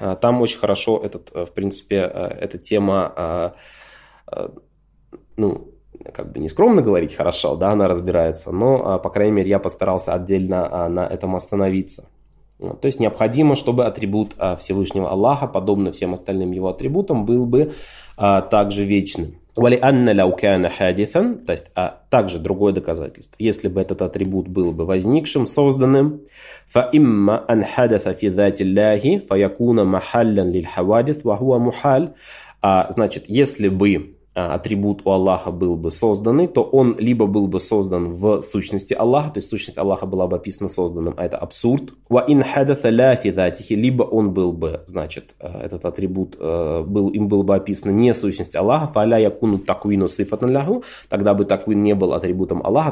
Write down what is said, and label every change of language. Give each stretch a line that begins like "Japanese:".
Russian: Там очень хорошо эта тема, ну, как бы не скромно говорить хорошо, да, она разбирается. Но, по крайней мере, я постарался отдельно на этом остановиться. То есть необходимо, чтобы атрибут Всевышнего Аллаха, подобно всем остальным его атрибутам, был бы также вечным.
Arabic: وَلِأَنَّ لَوْ كَانَ حَادِثًا,
Russian: то есть, а также другое доказательство. Если бы этот атрибут был бы возникшим, созданным,
Arabic: فَإِمَّا أَنْ حَدَثَ فِي ذَاتِ اللَّهِ فَيَكُونَ مَحَلًا لِلْحَوَادِثِ وَهُوَ مُحَالٌ.
Russian: А, значит, если бы атрибут у Аллаха был бы созданный, то он либо был бы создан в сущности Аллаха, то есть сущность Аллаха была бы описана созданным, а это абсурд.
Arabic: وَإِنْ حَدَثَ لَا فِي ذَاتِهِ,
Russian: либо он был бы, значит, этот атрибут, был, им было бы описано не сущность Аллаха,
Arabic: فَلَا يَكُنُ تَكْوِينُ صِفَةً لَهُ,
Russian: тогда бы таквин не был атрибутом Аллаха.